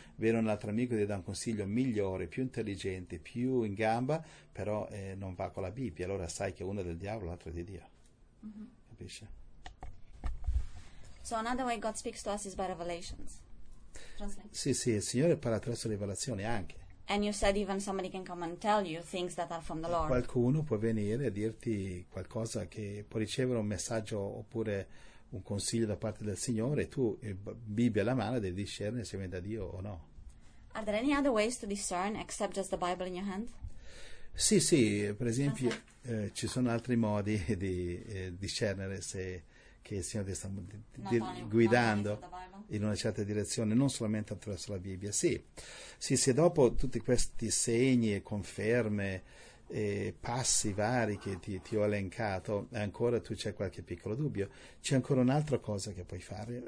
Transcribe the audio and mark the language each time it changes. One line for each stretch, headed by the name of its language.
Italian: Viene un altro amico e ti dà un consiglio migliore, più intelligente, più in gamba, però non va con la Bibbia. Allora sai che uno è del diavolo, l'altro è di Dio. Mm-hmm. Capisci?
English: So another way God speaks to us is by revelations. Translate.
Italian: Sì, sì, il Signore parla attraverso le rivelazioni anche.
English: And you said even somebody can come and tell you things that are from the Lord.
Italian: Qualcuno può venire a dirti qualcosa, che può ricevere un messaggio oppure un consiglio da parte del Signore, e tu, Bibbia alla mano, devi discernere se viene da Dio o no.
English: Are there any other ways to discern except just the Bible in your hand?
Italian: Sì, sì, per esempio ci sono altri modi di discernere se che il Signore ti sta guidando in una certa direzione, non solamente attraverso la Bibbia. Sì, sì, se dopo tutti questi segni e conferme e passi vari che ti ho elencato, ancora tu c'è qualche piccolo dubbio, c'è ancora un'altra cosa che puoi fare.